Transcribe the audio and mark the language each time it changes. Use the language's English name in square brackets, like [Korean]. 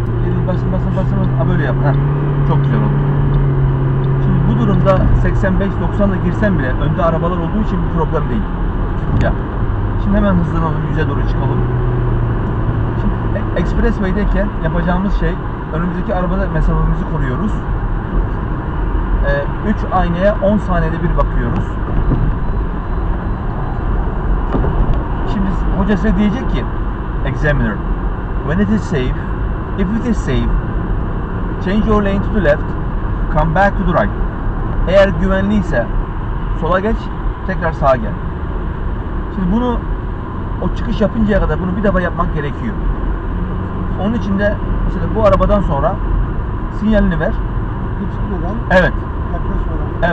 [Turkish] Girin basın basın basın. Ha böyle yapın. Heh. Çok güzel oldu. Şimdi bu durumda 85-90 ile girsem bile önde arabalar olduğu için bir problem değil. Ya. Şimdi hemen hızlanalım. 100'e doğru çıkalım. Şimdi expressway'deyken yapacağımız şey önümüzdeki arabada mesafemizi koruyoruz. 3 aynaya 10 saniyede bir bakıyoruz. Hoca size diyecek ki, [English] examiner, when it is safe, if it is safe, change your lane to the left, come back to the right. [Turkish] Eğer güvenliyse sola geç, tekrar sağa gel. Şimdi bunu o çıkış yapıncaya kadar bunu bir defa yapmak gerekiyor. Onun için de mesela bu arabadan sonra sinyalini ver. Geçmeden? Evet. Yaklaşmadan?